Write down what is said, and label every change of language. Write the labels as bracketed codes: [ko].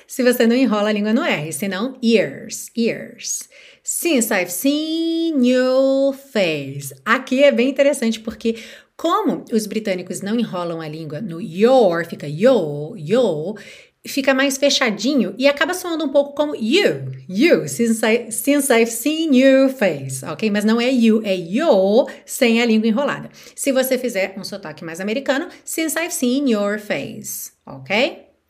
[pt] Se você não enrola a língua no R, senão years, years. [en] Since I've seen your face. [pt] Aqui é bem interessante porque, como os britânicos não enrolam a língua no your, fica your, your. fica mais fechadinho e acaba soando um pouco como you, you, [en] since I've seen your face, [pt] ok? Mas não é you, é yo, sem a língua enrolada. Se você fizer um sotaque mais americano, [en] since I've seen your face, [pt] ok?